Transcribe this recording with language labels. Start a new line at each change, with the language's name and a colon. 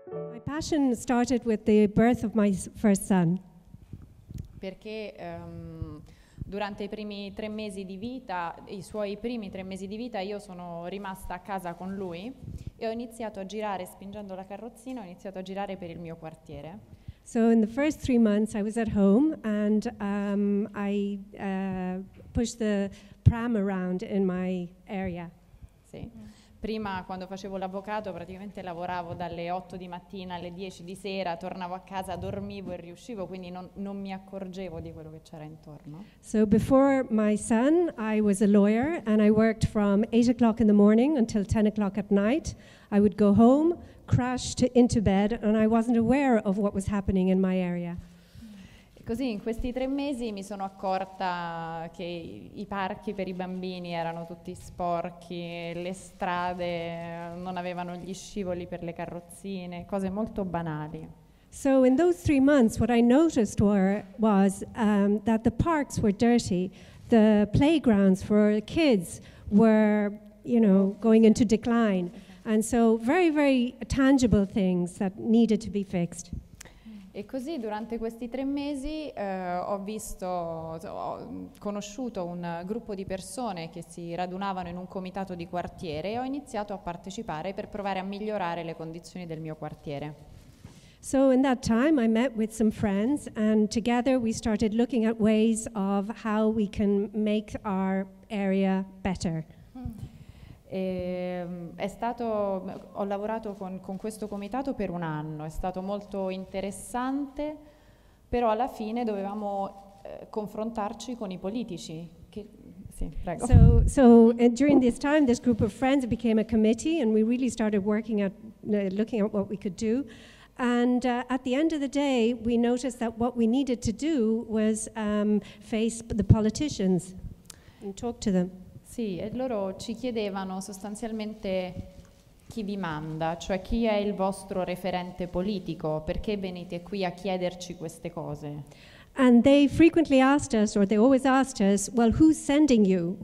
English: My passion started with the birth of my first son.
Italian: Perché durante i primi tre mesi di vita, i suoi primi tre mesi di vita, io sono rimasta a casa con lui e ho iniziato a girare, spingendo la carrozzina, ho iniziato a girare per il mio quartiere.
English: So in the first three months I was at home and I pushed the pram around in my area.
Italian: Sì. Prima, quando facevo l'avvocato, praticamente lavoravo dalle 8 di mattina alle 10 di sera, tornavo a casa, dormivo e riuscivo, quindi non mi accorgevo di quello che c'era intorno.
English: So before my son, I was a lawyer and I worked from 8 o'clock in the morning until 10 o'clock at night. I would go home, crash into bed and I wasn't aware of what was happening in my area.
Italian: Così in questi tre mesi mi sono accorta che i parchi per i bambini erano tutti sporchi, le strade non avevano gli scivoli per le carrozzine, cose molto banali.
English: So in those three months what I noticed was that the parks were dirty, the playgrounds for kids were, you know, going into decline, and so very, very tangible things that needed to be fixed.
Italian: E così durante questi tre mesi ho conosciuto un gruppo di persone che si radunavano in un comitato di quartiere e ho iniziato a partecipare per provare a migliorare le condizioni del mio quartiere.
English: So in that time I met with some friends and together we started looking at ways of how we can make our area better.
Italian: Ho lavorato con questo comitato per un anno, è stato molto interessante, però alla fine dovevamo confrontarci con i politici. Sì, prego.
English: So during this time this group of friends became a committee and we really started working at looking at what we could do. And at the end of the day we noticed that what we needed to do was face the politicians and talk to them.
Italian: Sì, e loro ci chiedevano sostanzialmente chi vi manda, cioè chi è il vostro referente politico, perché venite qui a chiederci queste cose.
English: And they frequently asked us, or they always asked us, well, who's sending you?